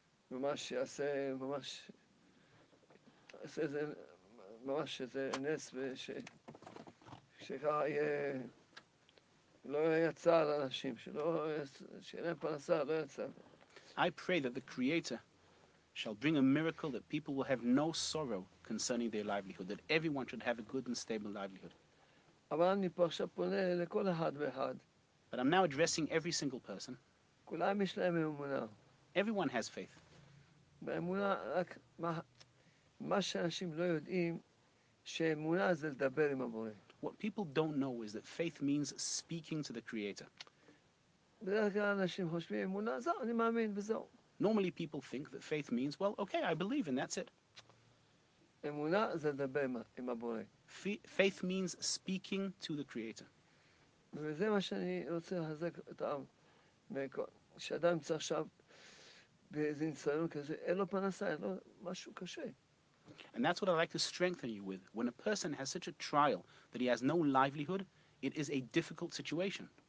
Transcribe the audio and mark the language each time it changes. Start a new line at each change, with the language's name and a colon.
Hebrew: ממש יעשה, ממש זה, ממש איזה נס ושככה לא יצא על אנשים, שאין להם פרנסה, לא יצא.
English: I pray that the Creator shall bring a miracle that people will have no sorrow concerning their livelihood, that everyone should have a good and stable livelihood.
Hebrew: אבל אני פה עכשיו פונה לכל אחד ואחד.
English: But I'm now addressing every single person.
Hebrew: כולם יש להם אמונה.
English: Everyone has faith.
Hebrew: באמונה רק מה שאנשים לא יודעים שאמונה זה לדבר עם הבורא.
English: What people don't know is that faith means speaking to the Creator.
Hebrew: בדרך כלל אנשים חושבים אמונה זה אני מאמין וזהו.
English: Normally people think that faith means, well, okay, I believe and that's it.
Hebrew: אמונה זה לדבר עם הבורא.
English: Faith means speaking to the Creator.
Hebrew: וזה מה שאני רוצה להחזק את העם. שאדם צריך עכשיו באיזה ניסיון כזה, אין לו פרנסה, אין לו משהו קשה.
English: And that's what I like to strengthen you with. When a person has such a trial that he has no livelihood, it is a difficult situation.